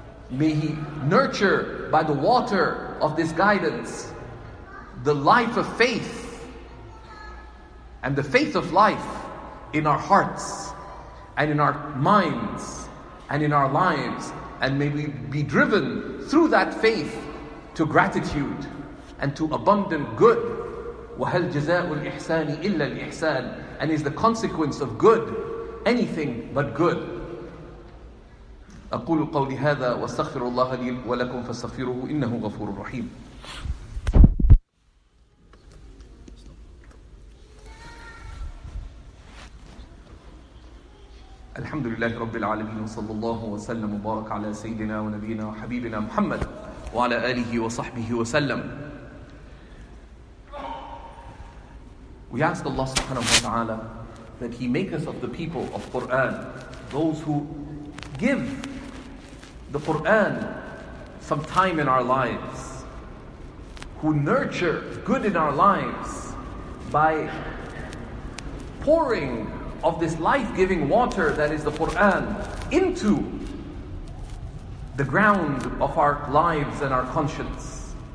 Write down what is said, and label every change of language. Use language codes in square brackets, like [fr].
[en] May He nurture by the water of this guidance the life of faith and the faith of life in our hearts and in our minds and in our lives. And may we be driven through that faith to gratitude and to abundant good. [ar] وَهَلْ جَزَاءُ الْإِحْسَانِ إِلَّا الْإِحْسَانِ. [en] And is the consequence of good anything but good? [ar] أقول قولي هذا واستغفر الله لي ولكم فاستغفروه إنه غفور رحيم. الحمد لله رب العالمين وصلى الله وسلم وبارك على سيدنا ونبينا وحبيبنا محمد وعلى آله وصحبه وسلم. [en] We ask Allah subhanahu wa ta'ala that He make us of the people of Qur'an, those who give the Qur'an some time in our lives, who nurture good in our lives by pouring of this life-giving water that is the Qur'an into the ground of our lives and our conscience.